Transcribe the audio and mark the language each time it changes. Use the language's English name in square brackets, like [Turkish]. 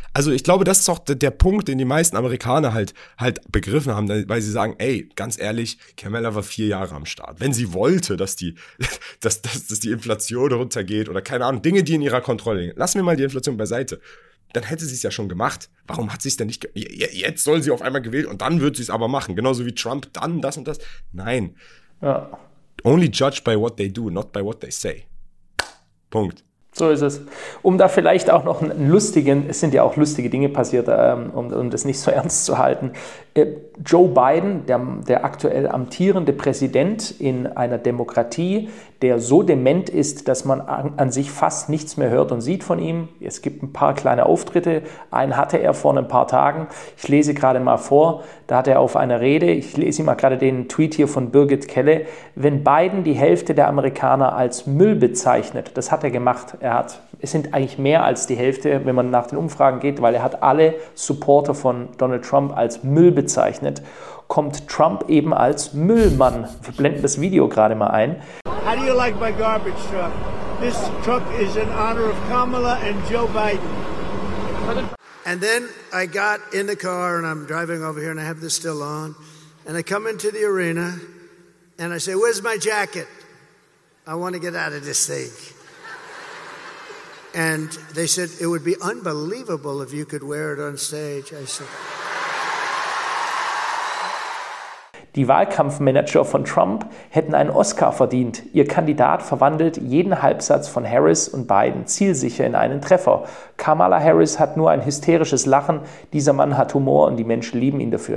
[German] Also ich glaube, das ist auch der Punkt, den die meisten Amerikaner halt begriffen haben, weil sie sagen, ey, ganz ehrlich, Kamala war 4 Jahre am Start. Wenn sie wollte, dass die Inflation runtergeht oder keine Ahnung, Dinge, die in ihrer Kontrolle liegen. Lassen wir mal die Inflation beiseite. Dann hätte sie es ja schon gemacht. Warum hat sie es denn nicht jetzt soll sie auf einmal gewählt und dann wird sie es aber machen. Genauso wie Trump, dann das und das. Nein. Ja. [English] Only judge by what they do, not by what they say. [German] Punkt. So ist es. Um da vielleicht auch noch einen lustigen, es sind ja auch lustige Dinge passiert, um das nicht so ernst zu halten. Joe Biden, der aktuell amtierende Präsident in einer Demokratie, der so dement ist, dass man an sich fast nichts mehr hört und sieht von ihm. Es gibt ein paar kleine Auftritte. Einen hatte er vor ein paar Tagen. Ich lese gerade mal vor, da hat er auf einer Rede, ich lese ihm mal gerade den Tweet hier von Birgit Kelle, wenn Biden die Hälfte der Amerikaner als Müll bezeichnet, das hat er gemacht. Es sind eigentlich mehr als die Hälfte, wenn man nach den Umfragen geht, weil er hat alle Supporter von Donald Trump als Müll bezeichnet, kommt Trump eben als Müllmann. Wir blenden das Video gerade mal ein. [English] How do you like my garbage truck? This truck is in honor of Kamala and Joe Biden. And then I got in the car and I'm driving over here and I have this still on. And I come into the arena and I say, where's my jacket? I want to get out of this thing. And they said, it would be unbelievable if you could wear it on stage. I said... [German] Die Wahlkampfmanager von Trump hätten einen Oscar verdient. Ihr Kandidat verwandelt jeden Halbsatz von Harris und Biden zielsicher in einen Treffer. Kamala Harris hat nur ein hysterisches Lachen. Dieser Mann hat Humor und die Menschen lieben ihn dafür.